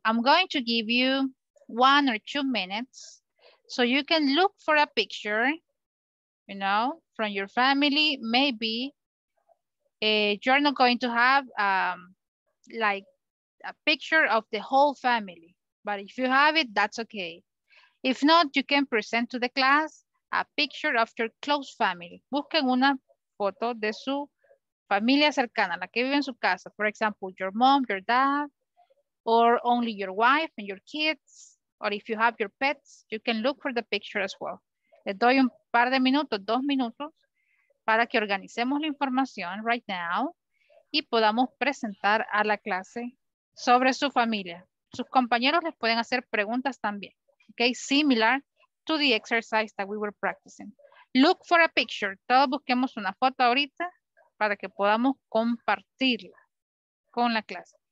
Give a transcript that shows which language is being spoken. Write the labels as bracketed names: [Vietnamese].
[English] I'm going to give you 1 or 2 minutes so you can look for a picture, you know, from your family. Maybe you're not going to have like a picture of the whole family. But if you have it, that's okay. If not, you can present to the class a picture of your close family. [Spanish] Busquen una foto de su familia cercana, la que vive en su casa. [English] For example, your mom, your dad, or only your wife and your kids. Or if you have your pets, you can look for the picture as well. [Spanish] Les doy un par de minutos, 2 minutos, para que organicemos la información [English] right now [Spanish] y podamos presentar a la clase sobre su familia. Sus compañeros les pueden hacer preguntas también. [English] Okay, similar to the exercise that we were practicing. Look for a picture. [Spanish] Todos busquemos una foto ahorita para que podamos compartirla con la clase.